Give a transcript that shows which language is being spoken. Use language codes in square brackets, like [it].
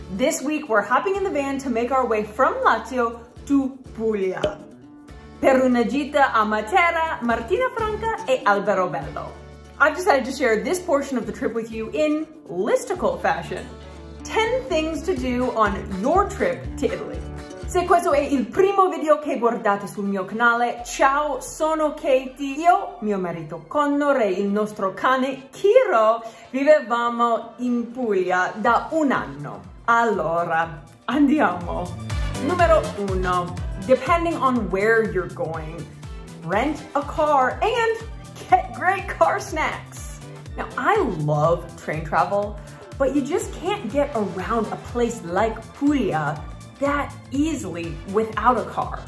[en] This week, we're hopping in the van to make our way from Lazio to Puglia. [it] Per una gita a Matera, Martina Franca e Alberobello. [en] I've decided to share this portion of the trip with you in listicle fashion. 10 things to do on your trip to Italy. [it] Se questo è il primo video che guardate sul mio canale, ciao, sono Katie. Io, mio marito Connor e il nostro cane Kiro vivevamo in Puglia da un anno. Allora, andiamo. Numero uno, [en] depending on where you're going, rent a car and get great car snacks. Now, I love train travel, but you just can't get around a place like Puglia that easily without a car.